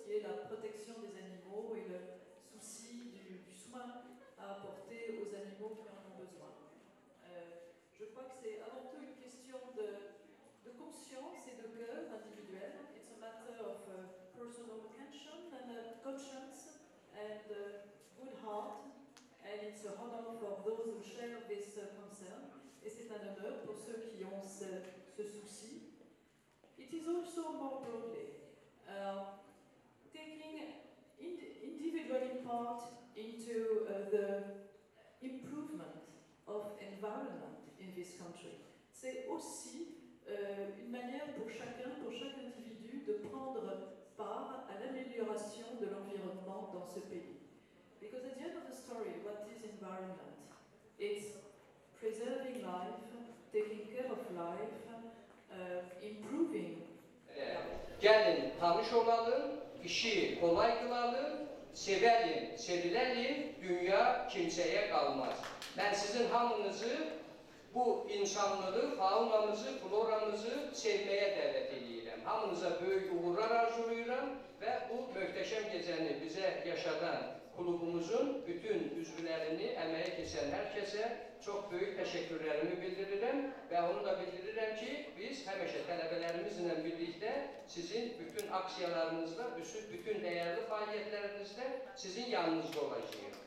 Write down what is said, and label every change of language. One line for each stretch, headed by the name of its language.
French: Qui est la protection des animaux et le souci du soin à apporter aux animaux qui en ont besoin. Je crois que c'est avant tout une question de conscience et de cœur individuel.
English: It's a matter of personal attention and conscience and good heart. And it's a honor for those who share this concern.
French: Et c'est un honneur pour ceux qui ont ce souci.
English: It is also more broadly taking individually part into the improvement of environment in this country.
French: C'est aussi une manière pour chacun, pour chaque individu, de prendre part à l'amélioration de l'environnement dans ce pays.
English: Because at the end of the story, what is environment? It's preserving life, taking care of life, improving.
Azerbaijani: Gəlin, tanış olalım, işi kolay qılalım, sevəlim, sevilərim, dünya kimsəyə qalmaz. Mən sizin hamınızı, bu insanları, faunamızı, floranızı sevməyə dəvət edirəm. Hamınıza böyük uğurlar arzulayıram və bu möhtəşəm gecəni bizə yaşadan klubumuzun bütün üzvlərini əməyə keçən hər kəsə çox böyük təşəkkürlərimi bildirirəm və onu da bildirirəm ki, biz həmişə tələbələrimizlə birlikdə sizin bütün aksiyalarınızda, bütün dəyərli fəaliyyətlərinizdə sizin yanınızda olacağıq.